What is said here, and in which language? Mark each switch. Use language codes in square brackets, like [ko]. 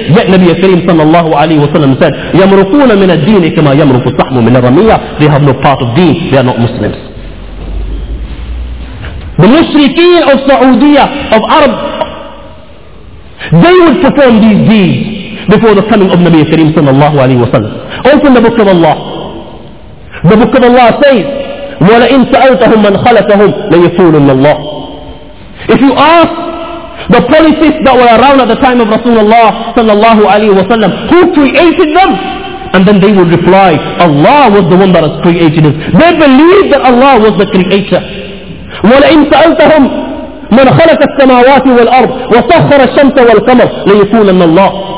[en] Yet Nabi Kareem sallallahu alayhi wa sallam said, [ar] يَمْرُقُونَ مِنَ الدِّينِ كَمَا يَمْرُقُ الصَّحْمُ مِنَ الرَّمِيَّةِ. [en] They have no part of deen, they are not Muslims. The mushrikeen of Saudiya, of Arab, they would perform these deeds before the coming of Nabi Kareem sallallahu alayhi wa sallam. Open the book of Allah. The book of Allah says, [ar] وَلَئِن سَأَلْتَهُمْ مَنْ خَلَقَهُمْ لَيَقُولُنَّ اللَّهُ. [en] If you ask the polytheists that were around at the time of Rasulullah sallallahu alayhi wa sallam, who created them? And then they would reply, Allah was the one that has created them. They believed that Allah was the creator. [ar] وَلَئِن سَأَلْتَهُمْ مَنْ خَلَقَ السَّمَاوَاتِ وَالْأَرْضِ وَسَخَّرَ الشَّمْسَ وَالْقَمَرَ لَيَقُولَنَّ اللَّهُ.